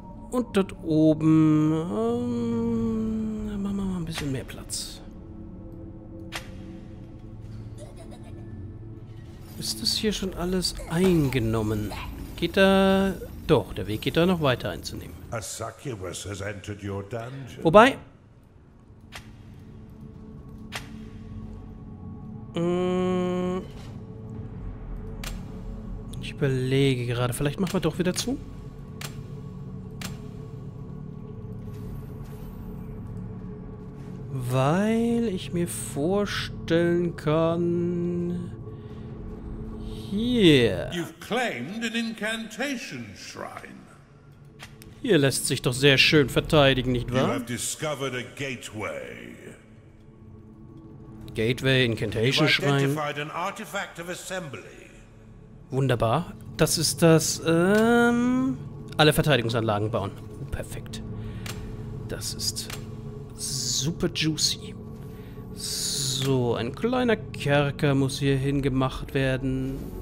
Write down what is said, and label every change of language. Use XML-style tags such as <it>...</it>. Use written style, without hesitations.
<de>Und dort oben machen wir mal ein bisschen mehr Platz. Ist das hier schon alles eingenommen? Geht da... Doch, der Weg geht da noch weiter einzunehmen.</de> <en>A succubus has entered your dungeon.</en> <de>Wobei... ich überlege gerade. Vielleicht machen wir doch wieder zu. Weil ich mir vorstellen kann... Hier.</de> <en>You've claimed an incantation shrine.</en> <de>Hier lässt sich doch sehr schön verteidigen, nicht wahr?</de> <en>You have discovered a gateway. Gateway, incantation shrine. You've identified an artifact of assembly.</en> <de>Wunderbar. Das ist das, alle Verteidigungsanlagen bauen. Oh, perfekt. Das ist super juicy. So, ein kleiner Kerker muss hier hingemacht werden.</de>